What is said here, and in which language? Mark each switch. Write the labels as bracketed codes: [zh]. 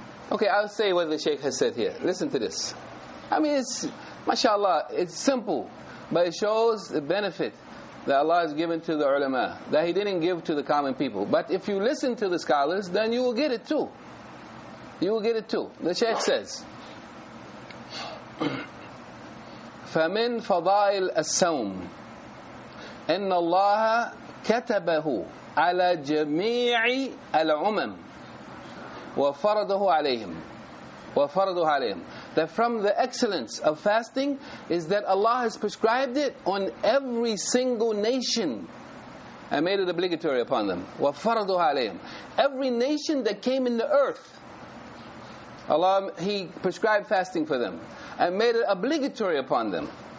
[en] Okay, I'll say what the Shaykh has said here. Listen to this. I mean, it's, mashallah, it's simple. But it shows the benefit that Allah has given to the ulama, that He didn't give to the common people. But if you listen to the scholars, then you will get it too. You will get it too. The Shaykh says, [ar] فَمِنْ فَضَائِلْ السَّوْمِ إِنَّ اللَّهَ كَتَبَهُ عَلَى جَمِيعِ الْعُمَمِ وَفَرَضَهُ عَلَيْهِمْ وَفَرَضَهُ عَلَيْهِمْ. [en] That from the excellence of fasting is that Allah has prescribed it on every single nation and made it obligatory upon them. [ar] وَفَرَضَهُ عَلَيْهِمْ. [en] Every nation that came in the earth, Allah, He prescribed fasting for them and made it obligatory upon them.